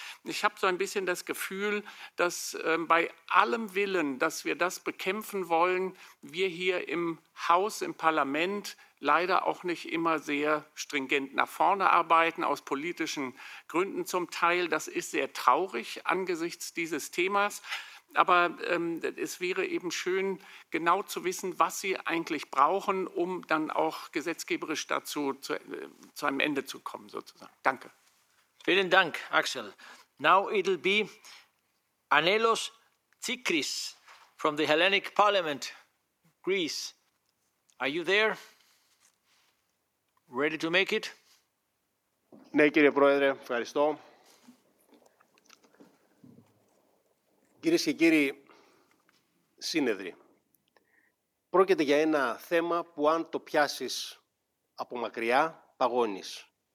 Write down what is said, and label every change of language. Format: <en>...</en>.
<de>Ich habe so ein bisschen das Gefühl, dass bei allem Willen, dass wir das bekämpfen wollen, wir hier im Haus, im Parlament leider auch nicht immer sehr stringent nach vorne arbeiten, aus politischen Gründen zum Teil. Das ist sehr traurig angesichts dieses Themas. Aber es wäre eben schön, genau zu wissen, was Sie eigentlich brauchen, um dann auch gesetzgeberisch dazu zu einem Ende zu kommen, sozusagen. Danke. Vielen Dank, Axel.</de> <en>Now it'll be Anelos Tsikris from the Hellenic Parliament, Greece. Are you there? Ready to make it?</en> <el>Ναι, κύριε Πρόεδρε, ευχαριστώ. Κυρίες και κύριοι σύνεδροι, πρόκειται για ένα θέμα που αν το πιάσεις από μακριά, παγώνεις.</el>